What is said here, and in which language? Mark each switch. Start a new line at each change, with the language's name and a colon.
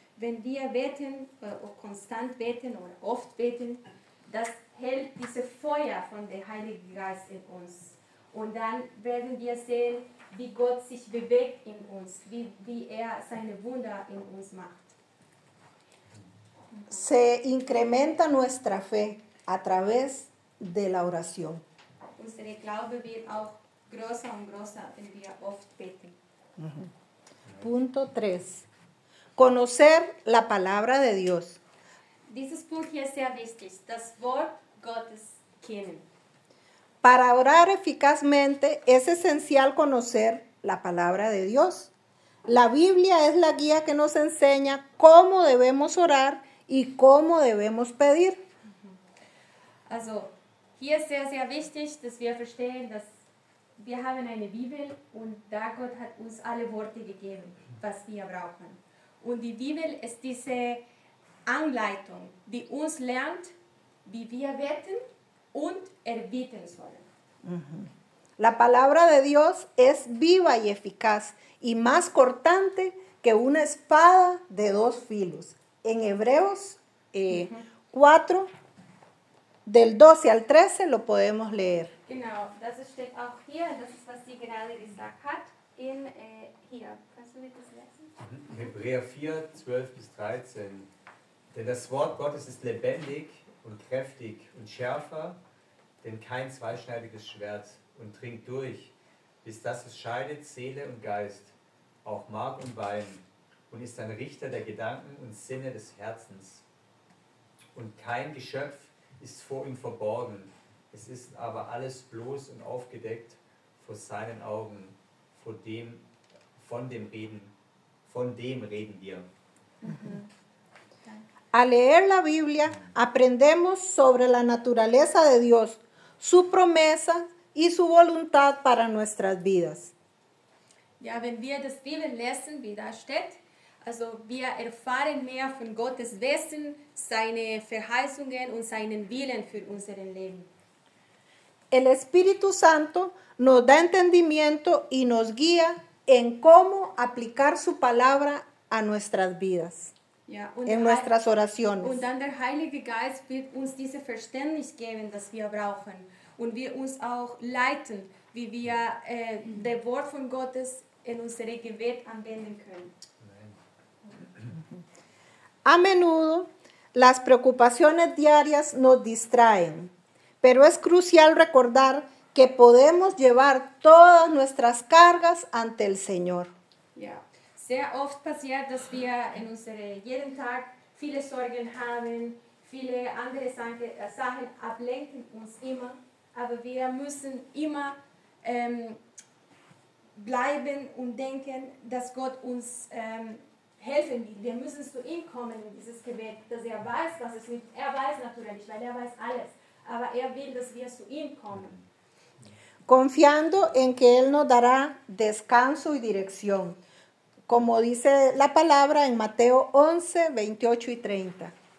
German: Wenn wir beten, konstant beten oder oft beten, das hält dieses Feuer von dem Heiligen Geist in uns. Und dann werden wir sehen, wie Gott sich bewegt in uns, wie er seine Wunder in uns macht.
Spanish: Se incrementa nuestra fe a través de la oración.
German: Unsere Glaube wird auch größer und größer, wenn wir oft beten.
Spanish: Punto 3. Conocer la palabra de Dios.
German: Dieses Punkt hier ist sehr wichtig, das Wort Gottes kennen.
Spanish: Para orar eficazmente es esencial conocer la palabra de Dios. La Biblia es la guía que nos enseña cómo debemos orar y cómo debemos pedir.
German: Also, hier ist sehr, sehr wichtig, dass wir verstehen, dass wir haben eine Bibel und da Gott hat uns alle Worte gegeben, was wir brauchen. Und die Bibel ist diese Anleitung, die uns lernt, wie wir beten und erbitten sollen.
Spanish: La palabra de Dios es viva y eficaz y más cortante que una espada de dos filos. En Hebreos 4, del 12 al 13, lo podemos leer.
German: Genau, das steht auch hier, das ist, was sie gerade gesagt hat. In hier, kannst du mir das lesen? Hebräer 4, 12 bis 13. Denn das Wort Gottes ist lebendig und kräftig und schärfer, denn kein zweischneidiges Schwert, und dringt durch, bis das es scheidet Seele und Geist, auch Mark und Bein, und ist ein Richter der Gedanken und Sinne des Herzens. Und kein Geschöpf ist vor ihm verborgen, es ist aber alles bloß und aufgedeckt vor seinen Augen, von dem reden wir.
Spanish: Al leer la Biblia, aprendemos sobre la naturaleza de Dios, su promesa y su voluntad para nuestras vidas.
German: Ja, wenn wir das Bibel lesen, wie da steht, also wir erfahren mehr von Gottes Wesen, seine Verheißungen und seinen Willen für unser Leben.
Spanish: El Espíritu Santo nos da entendimiento y nos guía en cómo aplicar su palabra a nuestras vidas.
German: Ja,
Spanish: en nuestras oraciones.
German: Und dann der Heilige Geist wird uns diese Verständnis geben, das wir brauchen. Und wir uns auch leiten, wie wir das Wort von Gottes in unsere Gebet anwenden können.
Spanish: A menudo, las preocupaciones diarias nos distraen, pero es crucial recordar que podemos llevar todas nuestras cargas ante el Señor.
German: Ja, sehr oft passiert, dass wir in unserem jeden Tag viele Sorgen haben, viele andere Sachen ablenken uns immer, aber wir müssen immer bleiben und denken, dass Gott uns helfen will. Wir müssen zu ihm kommen in dieses Gebet, dass er weiß, was es mit. Er weiß natürlich, weil er weiß alles, aber er will, dass wir zu ihm kommen.
Spanish: Confiando en que él nos dará descanso y dirección, como dice la palabra en Mateo 11, 28 y 30.